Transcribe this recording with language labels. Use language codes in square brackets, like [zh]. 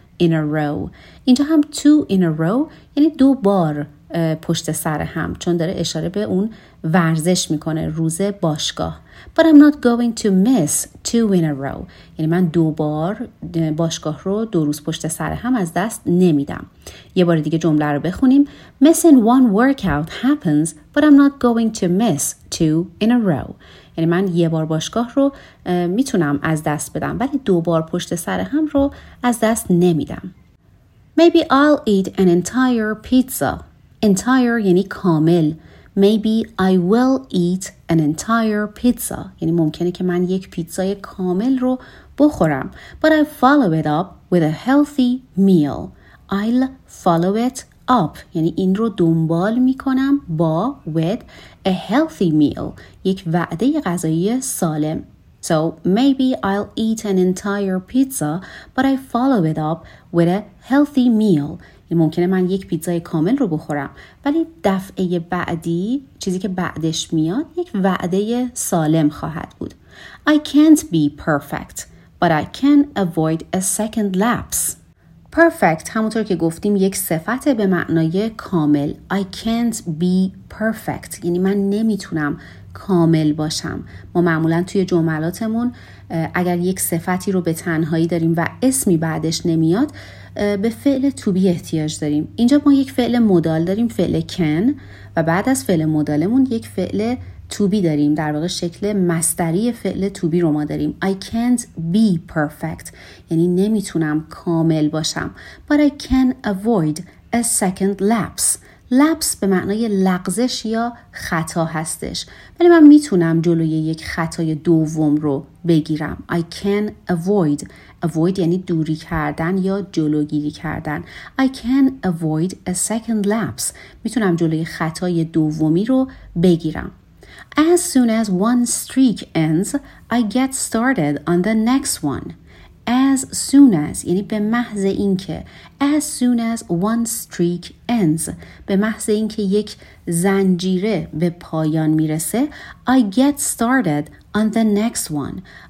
[en] in a row. [fa] اینجا هم [en] two in a row [fa] یعنی دو بار پشت سر هم، چون داره اشاره به اون ورزش میکنه، روز باشگاه. [en] But I'm not going to miss two in a row. [fa] یعنی من دو بار باشگاه رو دو روز پشت سر هم از دست نمیدم. یه بار دیگه جمله رو بخونیم. [en] Missing one workout happens, but I'm not going to miss two in a row. [fa] یعنی من یه بار باشگاه رو میتونم از دست بدم، ولی دو بار پشت سر هم رو از دست نمیدم. [en] Maybe I'll eat an entire pizza. [fa] Entire یعنی کامل. [en] Maybe I will eat an entire pizza. [fa] یعنی ممکنه که من یک پیتزای کامل رو بخورم. [en] But I follow it up with a healthy meal. I'll follow it up. [fa] یعنی این رو دنبال میکنم با [en] with a healthy meal. [fa] یک وعده غذایی سالم. [en] So maybe I'll eat an entire pizza, but I follow it up with a healthy meal. [fa] ممکنه من یک پیتزای کامل رو بخورم، ولی دفعه بعدی چیزی که بعدش میاد یک وعده سالم خواهد بود. [en] I can't be perfect, but I can avoid a second lapse. [fa] Perfect همونطور که گفتیم یک صفت به معنای کامل. [en] I can't be perfect [fa] یعنی من نمیتونم کامل باشم. ما معمولا توی جملاتمون اگر یک صفتی رو به تنهایی داریم و اسمی بعدش نمیاد به فعل to be احتیاج داریم. اینجا ما یک فعل مدال داریم، فعل can، و بعد از فعل مدالمون یک فعل to be داریم، در واقع شکل مصدری فعل to be رو ما داریم. [en] I can't be perfect [fa] یعنی نمیتونم کامل باشم. [en] But I can avoid a second lapse. [fa] لپس به معنای لغزش یا خطا هستش، ولی من میتونم جلوی یک خطای دوم رو بگیرم. [en] I can avoid. [fa] Avoid یعنی دوری کردن یا جلوگیری کردن. [en] I can avoid a second lapse. [fa] میتونم جلوی خطای دومی رو بگیرم. [en] As soon as one streak ends, I get started on the next one. As soon as [fa] یعنی به محض اینکه، [en] as soon as one streak ends [fa] به محض اینکه یک زنجیره به پایان میرسه، [en] I get started on the next one.